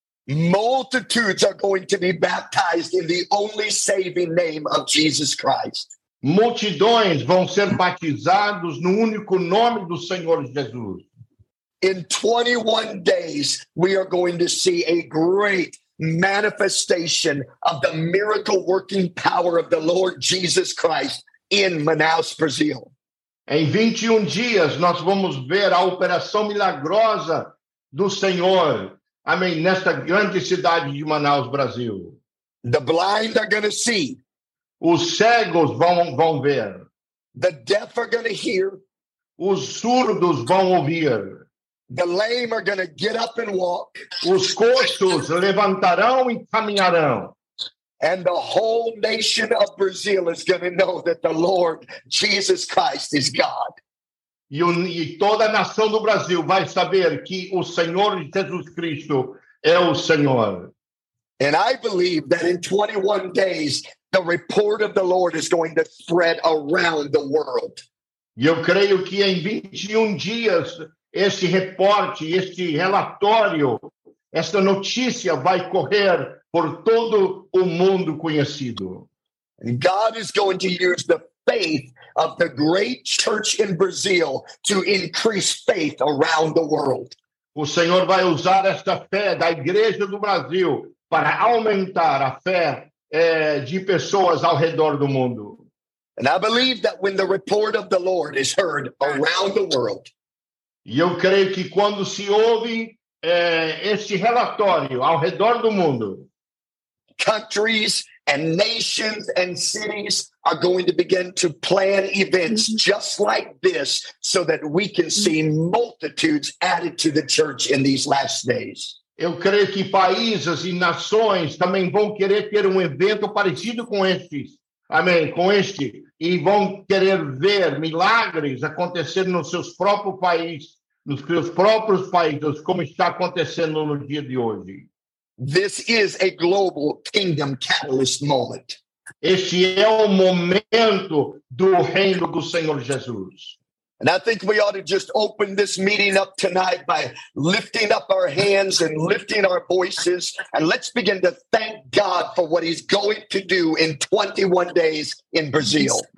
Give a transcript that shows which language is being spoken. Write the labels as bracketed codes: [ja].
[en] Multitudes are going to be baptized in the only saving name of Jesus Christ. [pt] Multidões vão ser batizados no único nome do Senhor Jesus. [en] In 21 days, we are going to see a great manifestation of the miracle working power of the Lord Jesus Christ in Manaus, Brazil. [pt] Em 21 dias, nós vamos ver a operação milagrosa do Senhor. Amém. Nesta grande cidade de Manaus, Brasil. [en] The blind are going to see. [pt] Os cegos vão ver. [en] The deaf are going to hear. [pt] Os surdos vão ouvir. [en] The lame are going to get up and walk. [pt] Os coxos levantarão e caminharão. [en] And the whole nation of Brazil is going to know that the Lord Jesus Christ is God. [pt] E toda a nação do Brasil vai saber que o Senhor Jesus Cristo é o Senhor. [en] And I believe that in 21 days, the report of the Lord is going to spread around the world. [pt] E eu creio que em 21 dias, este reporte, este relatório, esta notícia vai correr por todo o mundo conhecido. [en] And God is going to use the faith of the great church in Brazil to increase faith around the world. [pt] O Senhor vai usar esta fé da Igreja do Brasil para aumentar a fé de pessoas ao redor do mundo. [en] And I believe that when the report of the Lord is heard around the world, [pt] e eu creio que quando se ouve este relatório ao redor do mundo, [en] countries and nations and cities are going to begin to plan events just like this so that we can see multitudes added to the church in these last days. [pt] Eu creio que países e nações também vão querer ter evento parecido com estes. Amém, com este, e vão querer ver milagres acontecer nos seus próprios países, nos seus próprios países, como está acontecendo no dia de hoje. [en] This is a global kingdom catalyst moment. [pt] Este é o momento do reino do Senhor Jesus. [en] And I think we ought to just open this meeting up tonight by lifting up our hands and lifting our voices. And let's begin to thank God for what he's going to do in 21 days in Brazil.